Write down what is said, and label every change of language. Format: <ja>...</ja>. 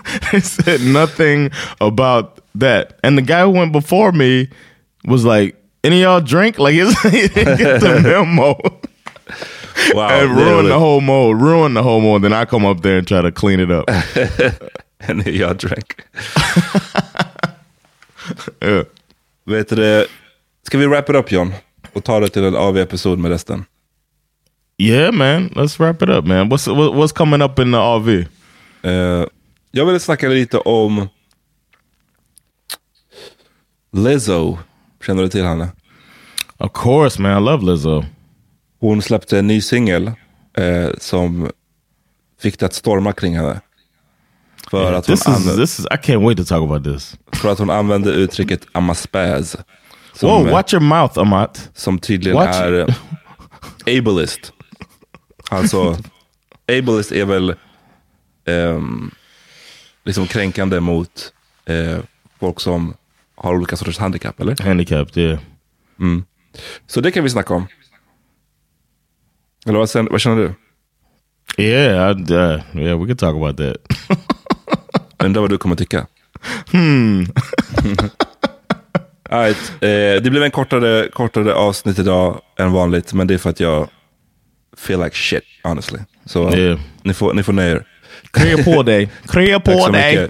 <en>They said nothing about that, and the guy who went before me was like, "Any of y'all drink?" Like he didn't get the memo. Wow, and ruined the whole mode. Ruined the whole mode. Then I come up there and try to clean it up. Any of y'all drink? Yeah.</en> <sv>Vet du, ska vi</sv> <en>wrap it up,</en> <sv>John, och ta det till en av episod med resten?</sv> <en>Yeah, man. Let's wrap it up, man. What's coming up in the RV?</en> <sv>Jag vill snacka lite om Lizzo. Känner du till henne?</sv> <en>Of course, man. I love Lizzo.</en> <sv>Hon släppte en ny singel som fick det att storma kring henne.</sv> <en>This is I can't wait to talk about this.</en> <sv>För att hon använde uttrycket</sv> <en>I'm a spaz. Whoa, watch your mouth, Amat.</en> <sv>Som tydligen</sv> <en>watch.</en> <sv>Är ableist. Alltså, ableist är väl liksom kränkande mot folk som har olika sorters handikapp, eller? Handikapp, ja.</sv> <en>Yeah.</en> <sv>Mm. Så det kan vi snacka om. Eller vad känner du?</sv> <en>Yeah, we can talk about that.</en> <sv>Undra vad du kommer tycka. All right, det blev en kortare avsnitt idag än vanligt, men det är för att jag</sv> <en>feel like shit, honestly.</en> <sv>Så ni får nöja er. Krya på dig. Krya på dig.</sv>